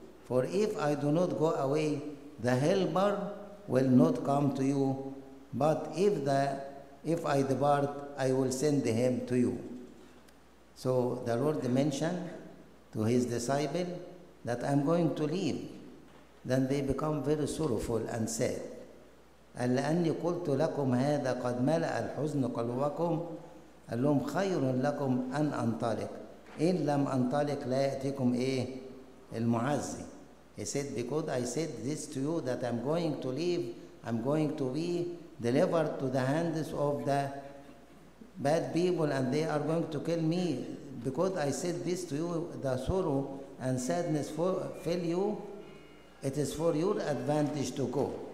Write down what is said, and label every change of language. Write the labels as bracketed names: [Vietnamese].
[English] For if I do not go away, the helper will not come to you. But if I depart, I will send him to you. So the Lord mentioned to his disciple that I'm going to leave. Then they become very sorrowful and sad. [Arabic] لأني قلت لكم هذا قد ملأ الحزن قلوبكم. قال لهم خير لكم أن أنطلق, إن لم أنطلق لا يأتيكم إيه المعزي. [English] He said, because I said this to you that I'm going to leave, I'm going to be delivered to the hands of the bad people and they are going to kill me. Because I said this to you, the sorrow and sadness fill you, it is for your advantage to go.